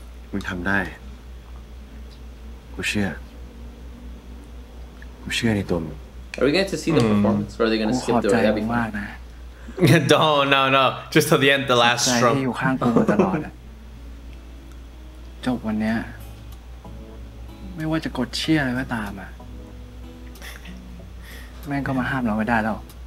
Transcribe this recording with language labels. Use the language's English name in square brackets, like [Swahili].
[Thai] มึงทำได้กูเชื่อกูเชื่อในตัวมึง [English] Are we going to see the performance or are they going to skip the rest of it? No. Just till the end, the last stroke. [Thai] ใจที่อยู่ข้างกูมาตลอดจบวันนี้ไม่ว่าจะกดเชื่ออะไรก็ตามอ่ะแม่งก็มาห้ามเราไม่ได้แล้ว